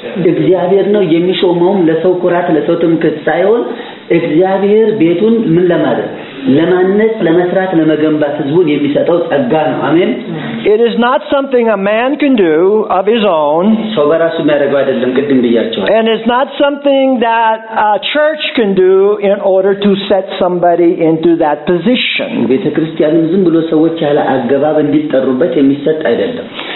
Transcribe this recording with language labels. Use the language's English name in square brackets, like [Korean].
[Amharic] እግዚአብሔር ነው የሚሾመው ለሰው ኩራት ለሰው ትምክህት ሳይሆን እግዚአብሔር ቤቱን ምን ለማድረግ ለማነጽ ለመስራት ለመገንባት ህዝቡን የሚሰጠው ጸጋ ነው አሜን [English] It is not something a man can do of his own. [Amharic] ሰው በራሱ የሚያደርገው አይደለም ቅድም ብያቸው [English] And it's not something that a church can do in order to set somebody into that position. [Amharic] ቤተክርስቲያንም ዝም ብሎ ሰዎች ያለ አገባብ እንዲጠሩበት የሚሰጥ አይደለም